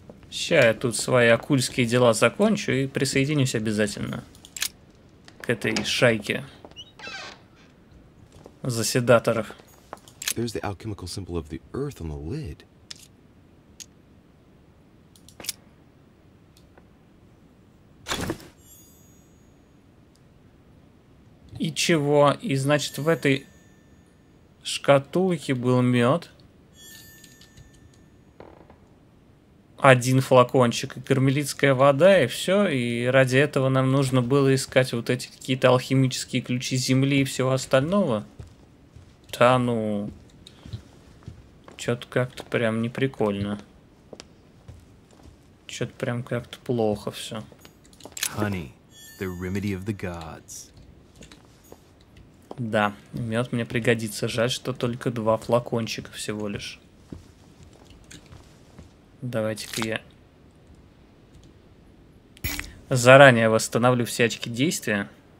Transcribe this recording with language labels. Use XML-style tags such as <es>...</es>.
<ru>Сейчас я тут свои акульские дела закончу и присоединюсь обязательно к этой шайке заседаторов.</ru> <en>There's the alchemical symbol of the earth on the lid.</en> <ru>И чего? И значит, в этой шкатулке был мед. Один флакончик и кармелитская вода, и все. И ради этого нам нужно было искать вот эти какие-то алхимические ключи земли и всего остального. Да ну. Что-то как-то прям не прикольно. Что-то прям как-то плохо все.</ru> <en>Honey, the remedy of the gods.</en> <ru>Да, мед мне пригодится. Жаль, что только два флакончика всего лишь. Давайте-ка я заранее восстановлю все очки действия.</ru>